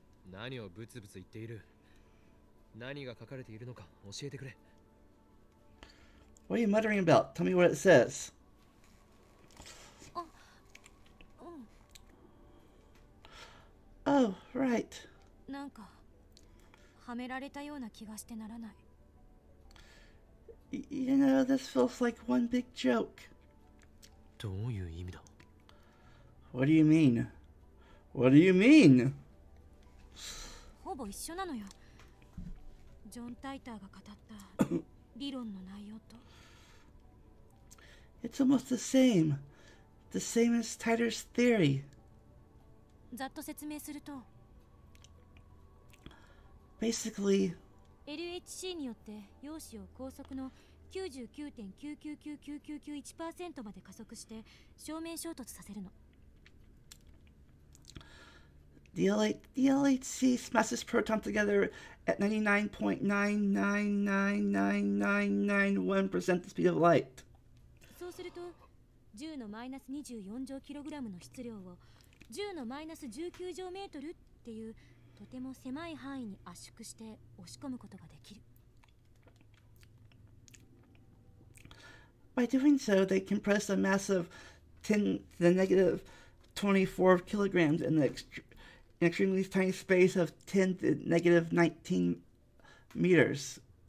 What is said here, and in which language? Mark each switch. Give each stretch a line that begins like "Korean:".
Japanese: 何をブツブツ言っている?何が書かれているのか教えてくれ。
English: What are you muttering about? Tell me what it says. Oh, right.
Japanese: なんかはめられたような気がしてならない。
English: You know, this feels like one big joke.
Japanese: どういう意味だ?
English: What do you mean? What do you mean?
Japanese: ほぼ一緒なのよ。John Titerが語った理論の内容と。
English: It's almost the same. The same as Titer's theory.
Japanese: ざっと説明すると
English: Basically
Japanese: LHC によって陽子を高速の 99.99999991% まで加速して正面衝突させるの
English: The LHC smashes proton together at 99.999991% the speed of light.
Japanese: そうすると 10-24乗キログラム の質量を 10-19乗メートル っていうとても狭い範囲に圧縮して押し込むことができる。
English: By doing so, they compress a mass of 10^-24 kilograms in an extremely tiny space of 10^-19 meters.